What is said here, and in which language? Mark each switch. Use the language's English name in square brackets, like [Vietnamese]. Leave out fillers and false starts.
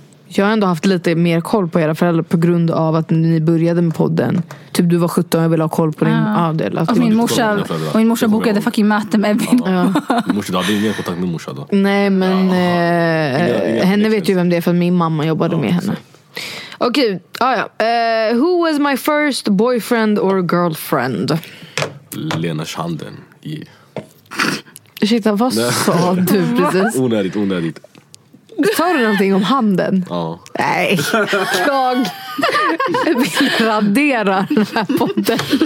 [Swedish] Jag har ändå haft lite mer koll på era föräldrar på grund av att ni började med podden. Typ du var 17 och jag ville ha koll på din del. Och min morsa, bokade fucking möte med Evin. Ja. Morsa, du hade ingen kontakt med morsa då? Nej, men henne vet ju vem det är, för min mamma jobbade med henne. Okej, okay. [English] Who was my first boyfriend or girlfriend? Lena Schanden. Yeah. [Swedish] Ursäkta, vad sa du precis? Onödigt, onödigt. Sa du någonting om handen? Ja. Nej, jag vill radera den här podden.